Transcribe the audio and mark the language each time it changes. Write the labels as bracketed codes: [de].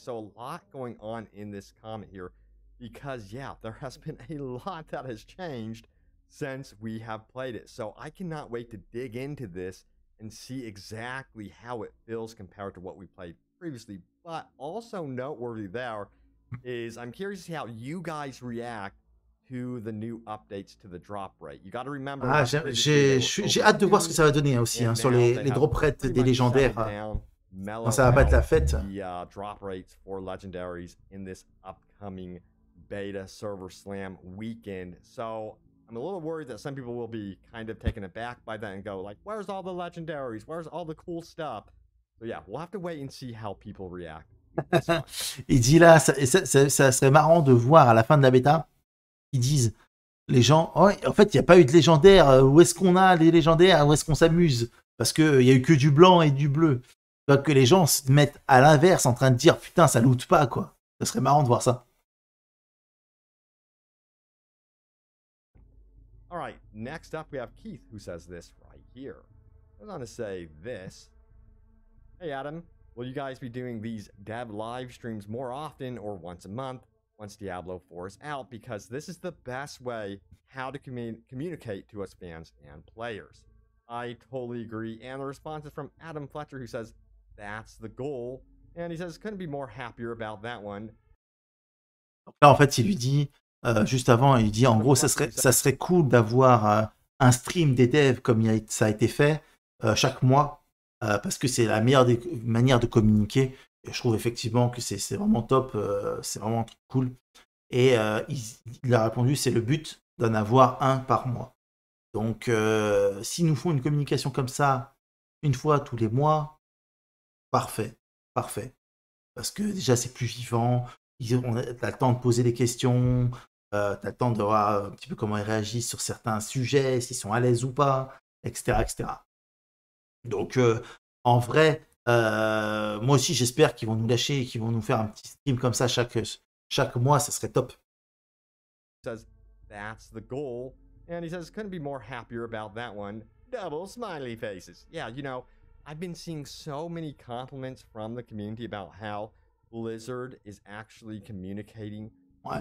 [en] So, a lot going on in this comment here. Because, yeah, there has been a lot that has changed since we have played it. So, I cannot wait to dig into this and see exactly how it feels compared to what we played previously. But also noteworthy there is I'm curious to see how you guys react to the new updates to the drop rate. You got to remember. [fr] J'ai hâte de voir ce que ça va donner aussi hein, sur les drop rates des légendaires. Non, ça va pas être la fête. [en] Drop rates for legendaries in this upcoming beta server slam weekend. So I'm a little worried that some people will be kind of taken aback by that and go like, "Where's all the legendaries? Where's all the cool stuff?" So yeah, we'll have to wait and see how people react. [fr] Il dit là, ça serait marrant de voir à la fin de la bêta. Ils disent, les gens, oh, en fait, il n'y a pas eu de légendaire. Où est-ce qu'on a les légendaires? Où est-ce qu'on s'amuse? Parce qu'il n'y a eu que du blanc et du bleu. Donc, que les gens se mettent à l'inverse en train de dire, putain, ça loot pas, quoi. Ce serait marrant de voir ça. [en] All right, next up, we have Keith, who says this right here. I was going to say this. Hey, Adam, will you guys be doing these dev live streams more often or once a month? Once Diablo 4 is out, because this is the best way how to communicate to us fans and players. I totally agree. And the response is from Adam Fletcher, who says, that's the goal. And he says, couldn't be more happier about that one. [fr] Là, en fait, il lui dit, juste avant, il dit, en gros, ça serait cool d'avoir un stream des devs comme ça a été fait chaque mois, parce que c'est la meilleure manière de communiquer. Je trouve effectivement que c'est vraiment top, c'est vraiment cool. Et il a répondu, c'est le but d'en avoir un par mois. Donc, s'ils nous font une communication comme ça, une fois tous les mois, parfait, parfait. Parce que déjà, c'est plus vivant, t'as le temps de poser des questions, t'as le temps de voir un petit peu comment ils réagissent sur certains sujets, s'ils sont à l'aise ou pas, etc. etc. Donc, en vrai... moi aussi, j'espère qu'ils vont nous lâcher et qu'ils vont nous faire un petit stream comme ça chaque mois, ça serait top. [en] He says, that's the goal. And he says, couldn't be more happier about that one. Double smiley faces. Yeah, you know, I've been seeing so many compliments from the community about how Blizzard is actually communicating ouais.